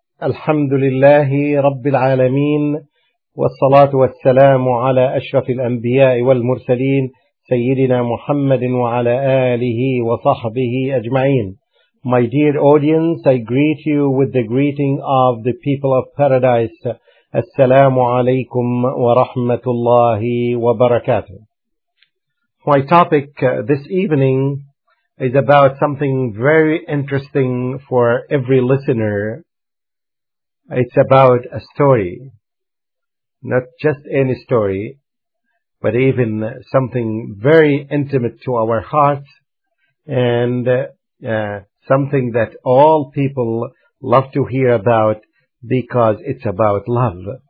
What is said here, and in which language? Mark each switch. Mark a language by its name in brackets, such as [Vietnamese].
[Arabic] الحمد لله رب العالمين، والصلاة والسلام على أشرف الأنبياء والمرسلين سيدنا محمد وعلى آله وصحبه أجمعين. [English] My dear audience, I greet you with the greeting of the people of paradise. [Arabic] السلام عليكم ورحمة الله وبركاته. [English] My topic this evening is about something very interesting for every listener. It's about a story. Not just any story, but even something very intimate to our hearts, and something that all people love to hear about because it's about love.